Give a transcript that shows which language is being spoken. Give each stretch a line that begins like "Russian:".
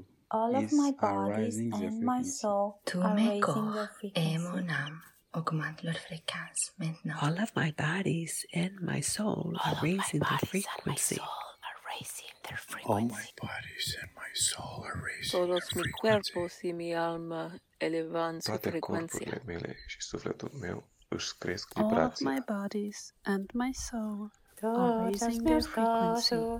English: All of my bodies and my soul all of my are raising their frequency. And my soul. All of my bodies and my soul are raising their frequency. All of my bodies and my soul are raising their frequency. All my bodies and my soul are raising their frequency.
Spanish: Todos mis cuerpos y mi alma elevan su frecuencia.
Romanian: Toate corpurile mele și sufletul meu își cresc vibrația.
English: All of my bodies and my soul are raising their frequency.